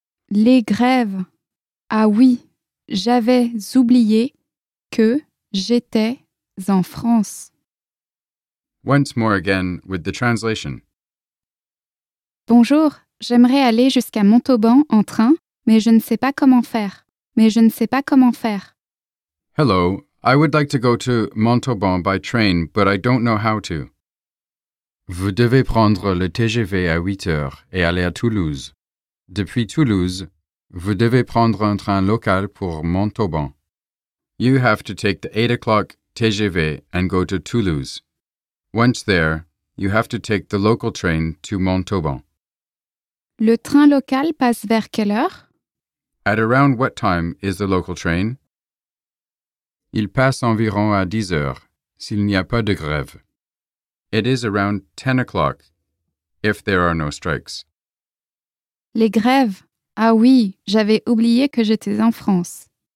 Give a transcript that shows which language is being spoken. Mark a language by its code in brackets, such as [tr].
[fr] Les grèves? Ah oui! J'avais oublié que j'étais en France. [en] Once more again with the translation. [fr] Bonjour, j'aimerais aller jusqu'à Montauban en train, mais je ne sais pas comment faire. Mais je ne sais pas comment faire. [en] Hello, I would like to go to Montauban by train, but I don't know how to. [fr] Vous devez prendre le TGV à 8 heures et aller à Toulouse. Depuis Toulouse, vous devez prendre un train local pour Montauban. [en] You have to take the 8 o'clock TGV and go to Toulouse. Once there, you have to take the local train to Montauban. [fr] Le train local passe vers quelle heure? [en] At around what time is the local train? [fr] Il passe environ à 10 heures, s'il n'y a pas de grève. [en] It is around 10 o'clock, if there are no strikes. [fr] Les grèves? Ah oui, j'avais oublié que j'étais en France.